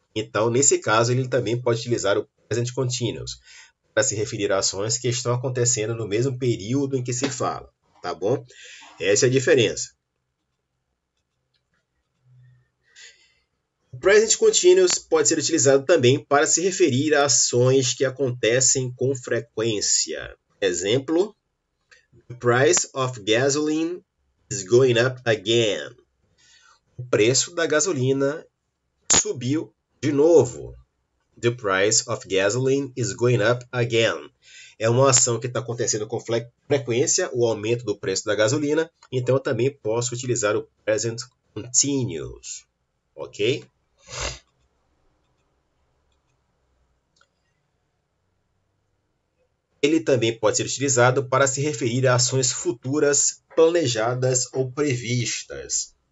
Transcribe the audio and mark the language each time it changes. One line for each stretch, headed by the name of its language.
Portuguese: Então, nesse caso, ele também pode utilizar o present continuous para se referir a ações que estão acontecendo no mesmo período em que se fala, tá bom? Essa é a diferença. O present continuous pode ser utilizado também para se referir a ações que acontecem com frequência. Exemplo:
English: The price of gasoline is going up again.
Portuguese: O preço da gasolina subiu de novo.
English: The price of gasoline is going up again.
Portuguese: É uma ação que está acontecendo com frequência, o aumento do preço da gasolina. Então, eu também posso utilizar o present continuous. Ok? Ele também pode ser utilizado para se referir a ações futuras, planejadas ou previstas.